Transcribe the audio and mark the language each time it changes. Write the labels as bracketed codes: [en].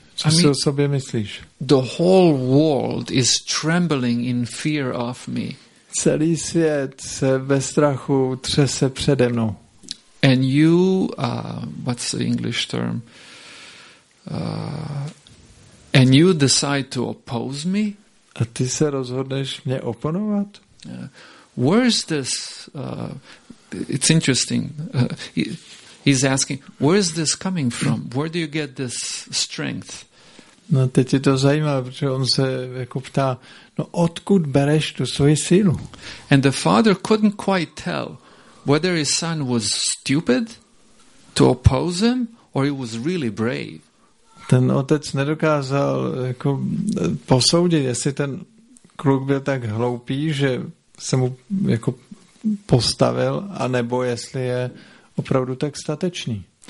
[cs] Co si o sobě myslíš? [en] The whole world is trembling in fear of me. [cs] Celý svět se ve strachu třese přede mnou. [en] And you, what's the English term? And you decide to oppose me? [cs] A ty se rozhodneš mě oponovat? [en] Where's this? It's interesting. He's asking, where is this coming from? Where do you get this strength? [cs] No, teď je to zajímavé, protože on se jako ptá, no odkud bereš tu svoji sílu? [en] And the father couldn't quite tell whether his son was stupid to oppose him or he was really brave. [cs] Ten otec nedokázal jako posoudit, jestli ten kluk byl tak hloupý, že se mu jako postavil, anebo jestli je opravdu tak statečný.